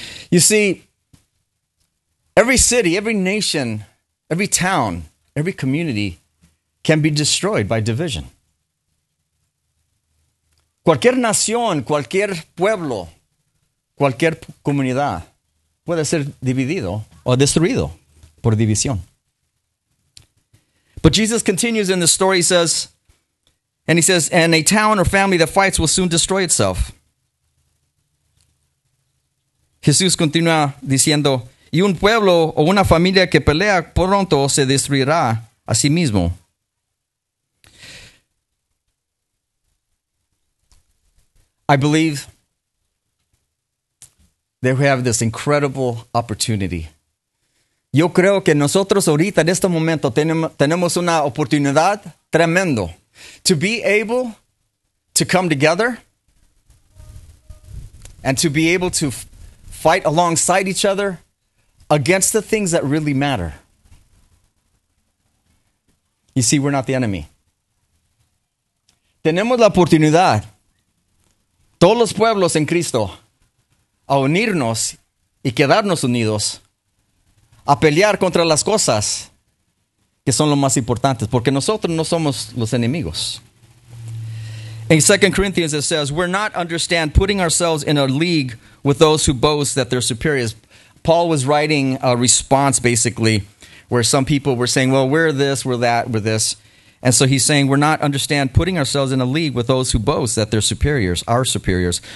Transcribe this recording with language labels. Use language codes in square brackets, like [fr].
[en] You see, every city, every nation, every town, every community can be destroyed by division. [es] Cualquier nación, cualquier pueblo, cualquier comunidad puede ser dividido o destruido por división. [en] But Jesus continues in the story, he says, and a town or family that fights will soon destroy itself. [es] Jesús continúa diciendo, y un pueblo o una familia que pelea pronto se destruirá a sí mismo. [en] I believe that we have this incredible opportunity. [es] Yo creo que nosotros ahorita en este momento tenemos una oportunidad tremendo. [en] To be able to come together and to be able to fight alongside each other against the things that really matter. You see, we're not the enemy. [es] Tenemos la oportunidad, todos los pueblos en Cristo, a unirnos y quedarnos unidos, a pelear contra las cosas que son lo más importantes, porque nosotros no somos los enemigos. [en] In 2 Corinthians it says, we're not understand putting ourselves in a league with those who boast that they're superiors. Paul was writing a response, basically, where some people were saying, well, we're this, we're that, we're this. And so he's saying, we're not understand putting ourselves in a league with those who boast that they're superiors, our superiors.